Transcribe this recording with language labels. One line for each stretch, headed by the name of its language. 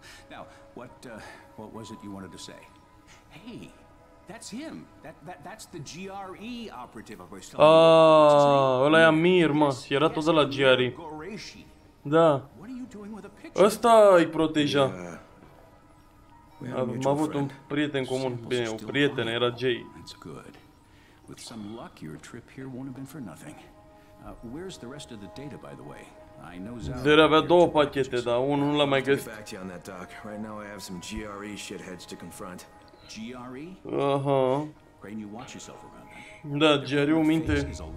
English: Now, what was it you wanted to say? Hey, that's him. That's the GRE operative of Westland.
Romanian: Ah, ăla e Amir, mă. Era tot de la GRE. Da.
English: What are you doing with a picture?
Romanian: Ăsta îi proteja. Am avut un prieten comun, bine, o prietenă, era Jay.
English: That's good. With some luck, your trip here won't have been for nothing. Where's the rest of the data, by the way? I know
Romanian: Zara avea două pachete, dar unul nu l-am mai găsit.
English: Right now I have some GRE shitheads to confront. GRE? Aha. Crane, you watch yourself around them.
Romanian: Da, GRE o minte.